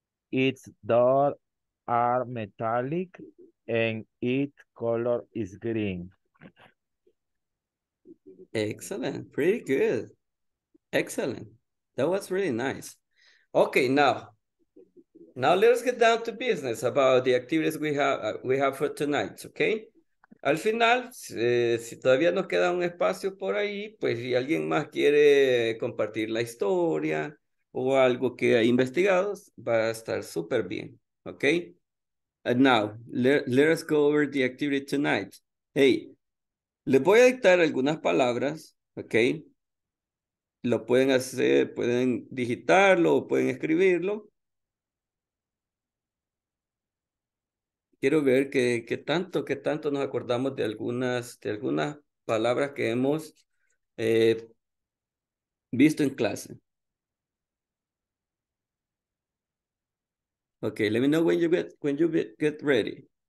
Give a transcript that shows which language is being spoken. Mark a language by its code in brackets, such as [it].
[en] Its doors are metallic and its color is green. Excellent. Pretty good. Excellent. That was really nice. Okay, now let's get down to business about the activities we have for tonight, okay? [es] Al final, si todavía nos queda un espacio por ahí, pues si alguien más quiere compartir la historia o algo que ha investigado, va a estar súper bien, okay? [en] And now, let us go over the activity tonight. [es] Hey, les voy a dictar algunas palabras, okay? Lo pueden hacer, pueden digitarlo o pueden escribirlo. Quiero ver qué tanto nos acordamos de algunas palabras que hemos visto en clase. [en] Okay, let me know when you get ready.